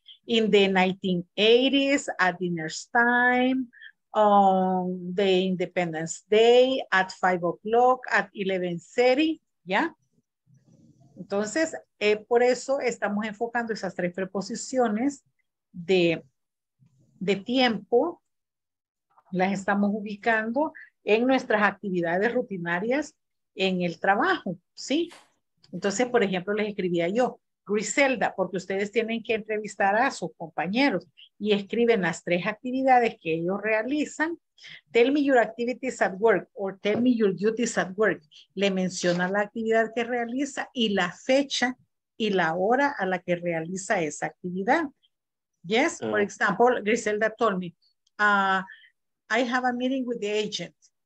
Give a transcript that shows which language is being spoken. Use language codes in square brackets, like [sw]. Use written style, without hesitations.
[en] In the 1980s, at dinner time, on the Independence Day, at 5 o'clock, at 11:30, [es] ¿ya? Entonces, por eso estamos enfocando esas tres preposiciones de tiempo, las estamos ubicando en nuestras actividades rutinarias en el trabajo, ¿sí? Entonces, por ejemplo, les escribía yo, Griselda, porque ustedes tienen que entrevistar a sus compañeros y escriben las tres actividades que ellos realizan. [en] Tell me your activities at work or tell me your duties at work. [es] Le menciona la actividad que realiza y la fecha y la hora a la que realiza esa actividad. [en] Yes, for example, Griselda told me, I have a meeting with the agent.